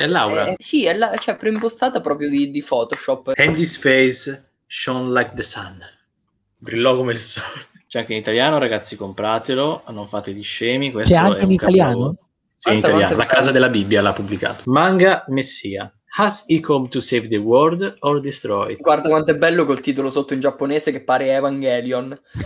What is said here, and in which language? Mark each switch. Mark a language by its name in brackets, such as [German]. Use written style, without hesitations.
[Italian] Laura. È preimpostata proprio di Photoshop. [English] Andy's face shone like the sun, [Italian] brillò come il sole. C'è anche in italiano, ragazzi, compratelo, non fate gli scemi. Questo c'è anche è in italiano? Sì, in italiano, la casa della Bibbia l'ha pubblicato. Manga Messia. [English] Has he come to save the world or destroy it? [Italian] Guarda quanto è bello col titolo sotto in giapponese che pare Evangelion.